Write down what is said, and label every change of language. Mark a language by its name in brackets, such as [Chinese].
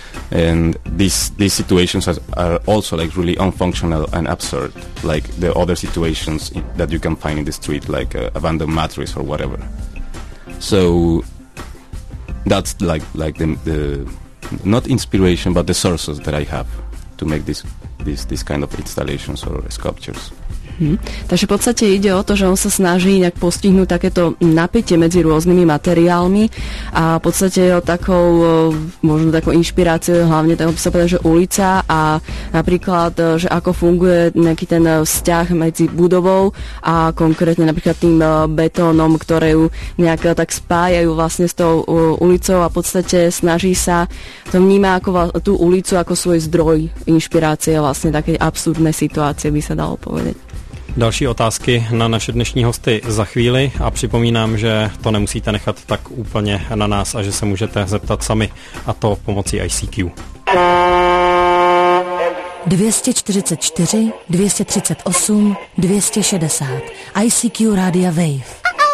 [English] And these situations are also like really unfunctional and absurd, like the other situations that you can find in the street, like abandoned mattress or whatever. So that's like the not inspiration, but the sources that I have to make this kind of installations or sculptures. Hmm. [Slovak] Takže v podstate ide o to, že on sa snaží nejak postihnúť takéto napätie medzi rôznymi materiálmi a v podstate je takou možno takou inšpiráciou, hlavne tak by sa povedal, že ulica a napríklad, že ako funguje nejaký ten vzťah medzi budovou a konkrétne napríklad tým betónom, ktoré ju nejak tak spájajú vlastne s tou ulicou a v podstate snaží sa to vníma ako tú ulicu ako svoj zdroj inšpirácie vlastne také absurdné situácie by sa dalo povedať. [Czech] Další otázky na naše dnešní hosty za chvíli a připomínám, že to nemusíte nechat tak úplně na nás a že se můžete zeptat sami a to pomocí ICQ. 244 238 260 ICQ Radia Wave.